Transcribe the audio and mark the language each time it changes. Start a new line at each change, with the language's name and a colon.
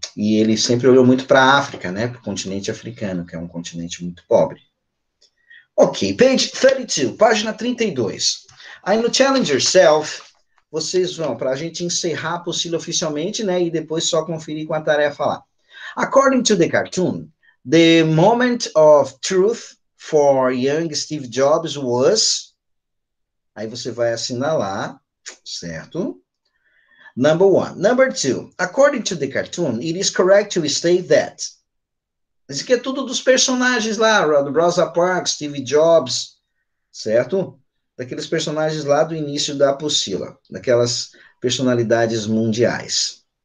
Portuguese: E ele sempre olhou muito para a África, né, para o continente africano, que é um continente muito pobre. Ok, page 32, página 32. Aí no Challenge Yourself, vocês vão, para a gente encerrar a apostila oficialmente, né, e depois só conferir com a tarefa lá.
English: According to the cartoon, the moment of truth for young Steve Jobs was.
Portuguese: Aí você vai assinar lá, certo?
English: Number one. Number two. According to the cartoon, it is correct to state that.
Portuguese: Isso aqui é tudo dos personagens lá, Rosa Parks, Steve Jobs, certo? Daqueles personagens lá do início da apostila, daquelas personalidades mundiais.